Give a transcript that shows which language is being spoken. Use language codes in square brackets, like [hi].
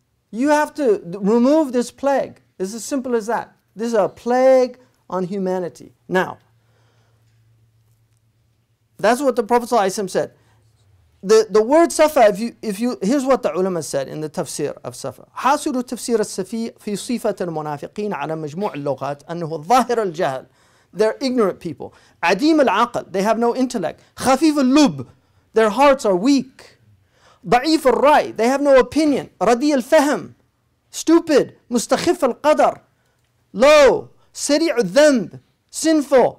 [en] You have to remove this plague. It's as simple as that. This is a plague on humanity. Now, that's what the Prophet ﷺ said. The word safa, if you here's what the ulama said in the tafsir of safa. [ar] حاصل تفسير السفي في صفة المنافقين على مجموع اللغات أنه ظاهر الجهل. [en] They're ignorant people. [ar] عديم العقل. [en] They have no intellect. [ar] خفيف اللب. [en] Their hearts are weak. [ar] ضعيف الرأي. [en] They have no opinion. [ar] ردي الفهم. [en] Stupid. [ar] مستخف القدر. [en] Low. [ar] سريع الذنب. [en] Sinful.